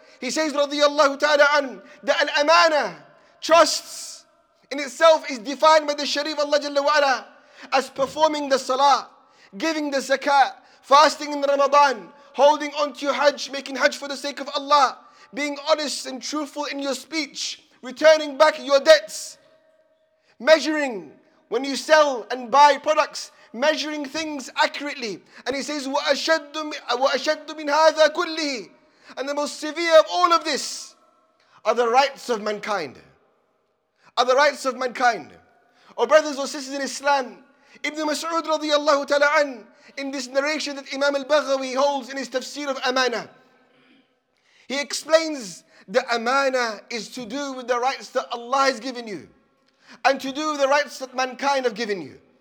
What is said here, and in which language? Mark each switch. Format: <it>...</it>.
<en>He says, radiyallahu ta'ala an, that al-amana, trusts, in itself is defined by the Sharif Allah Jalla wa'ala as performing the salah, giving the zakah, fasting in Ramadan, holding on to your hajj, making hajj for the sake of Allah, being honest and truthful in your speech, returning back your debts, measuring when you sell and buy products, measuring things accurately.</en> <ar>And he says, وَأَشَدُّ مِنْ هَذَا كُلِّهِ.</ar> <en>And the most severe of all of this are the rights of mankind. Are the rights of mankind. Oh, brothers or sisters in Islam, Ibn Mas'ud radiallahu ta'ala an, in this narration that Imam al-Baghawi holds in his tafsir of Amana, he explains that Amana is to do with the rights that Allah has given you and to do with the rights that mankind have given you.</en>